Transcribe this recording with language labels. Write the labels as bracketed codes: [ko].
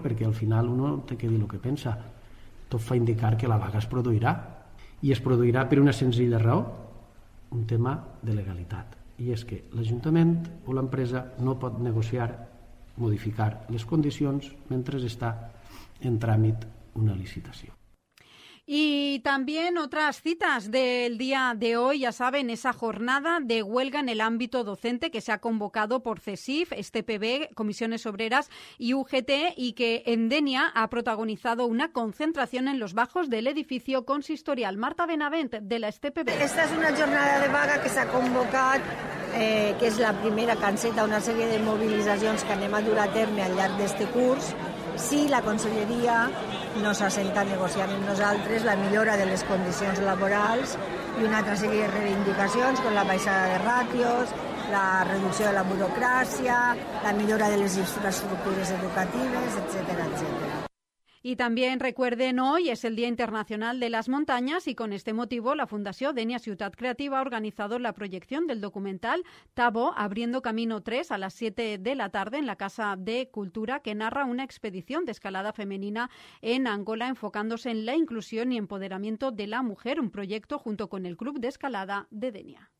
[ca] Perquè al final [es] uno [ca] té que dir el que pensa. Tot fa indicar que la vaga es produirà. I es produirà per una senzilla raó, un tema de legalitat. I és que l'Ajuntament o l'empresa no pot negociar, modificar les condicions mentre està en tràmit una licitació. [es] Y también otras citas del día de hoy, ya saben, esa jornada de huelga en el ámbito docente que se ha convocado por CESIF, STPB, Comisiones Obreras y UGT, y que en Denia ha protagonizado una concentración en los bajos del edificio consistorial. Marta Benavent, de la STPB. Esta es una jornada de vaga que se ha convocado, que es la primera que han sido una serie de movilizaciones que [ca] anem a dur a terme al llarg d'este curs. Sí, la conselleria no s'ha sentat negociant amb nosaltres la millora de les condicions laborals i una altra sèrie de reivindicacions com la baixada de ràtios, la reducció de la burocràcia, la millora de les infraestructures educatives, etcètera, etcètera. [es] Y también recuerden, hoy es el Día Internacional de las Montañas y con este motivo la Fundación Denia Ciutat Creativa ha organizado la proyección del documental Tabo, abriendo camino 3 a las 7 de la tarde en la Casa de Cultura, que narra una expedición de escalada femenina en Angola enfocándose en la inclusión y empoderamiento de la mujer, un proyecto junto con el Club de Escalada de Denia.